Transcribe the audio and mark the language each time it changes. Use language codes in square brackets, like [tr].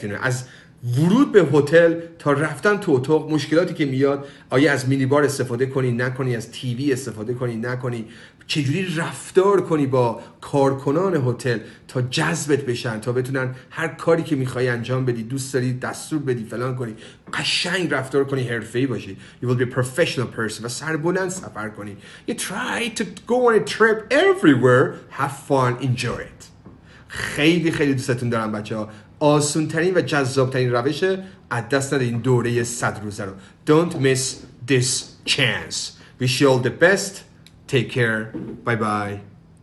[en] You know, [fa] از ورود به هتل تا رفتن تو اتاق، مشکلاتی که میاد، آیا از مینی بار استفاده کنی نکنی، از تیوی استفاده کنی نکنی، چجوری رفتار کنی با کارکنان هتل تا جذبت بشن، تا بتونن هر کاری که میخوای انجام بدی، دوست داری دستور بدی، فلان کنی، قشنگ رفتار کنی، حرفه‌ای باشی. [en] You will be a professional person. [fa] و سربلند سفر کنی. [en] You try to go on a trip everywhere. Have fun. Enjoy it. [fa] خیلی خیلی دوستتون دارم بچه ها. آسون ترین و جذاب ترین روش از دست ندید این دوره 100 روزه رو. [en] Don't miss this chance. Wish you all the best. Take care. Bye bye.